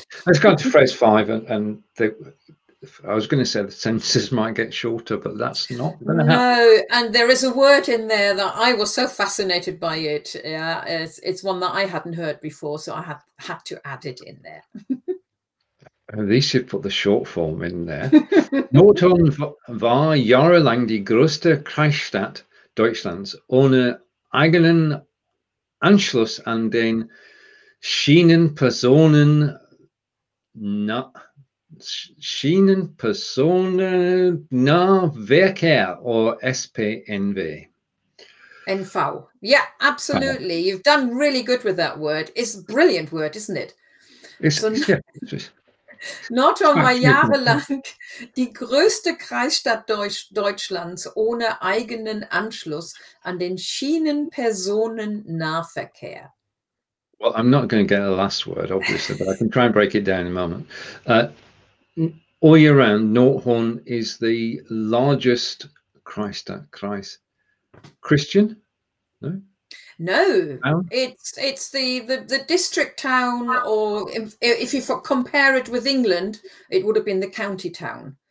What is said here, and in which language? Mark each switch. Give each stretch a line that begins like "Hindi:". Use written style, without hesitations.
English: Let's go to phrase five, and I was going to say the sentences might get shorter, but that's not going to happen. No, and there is a word in there that I was so fascinated by it. Yeah, it's one that I hadn't heard before, so I had to add it in there. At least you put the short form in there.
German: Nordhorn war jahrelang die größte Kreisstadt Deutschlands ohne eigenen Anschluss an den Schienenpersonennahverkehr or SPNV.
English: NV. Yeah, absolutely. You've done really good with that word. It's a brilliant word, isn't it?
German: Nordhorn war jahrelang die größte Kreisstadt Deutschlands ohne eigenen Anschluss an den Schienenpersonennahverkehr.
English: Well, I'm not going to get the last word, obviously, but I can try and break it down in a moment. All year round, Nordhorn is the largest Christian? No? No, it's the district town, or if you compare it with England, it would have been the county town.